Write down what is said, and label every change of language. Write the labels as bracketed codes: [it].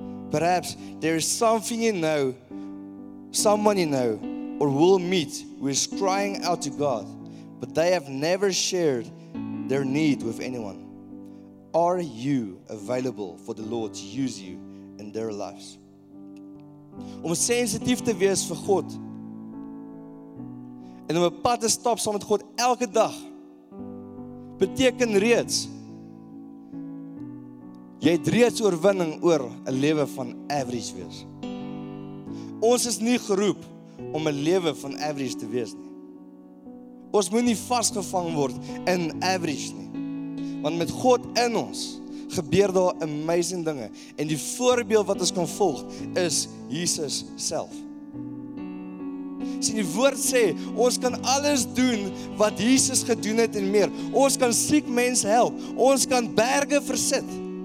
[en] Perhaps there is something you know, someone you know, or will meet who is crying out to God, but they have never shared their need with anyone. Are you available for the Lord to use you in their lives? [af] Om sensitief te wees vir God en om 'n pad te stap saam met God elke dag beteken reeds jy het reeds oorwinning oor 'n lewe van average wees. Ons is nie geroep om 'n lewe van average te wees nie. Ons moet nie vasgevang word in average nie. Want met God in ons gebeur daar amazing dinge. En die voorbeeld wat ons kan volg is Jesus self. Sien, die woord sê, ons kan alles doen wat Jesus gedoen het en meer. Ons kan siek mense help. Ons kan berge versit.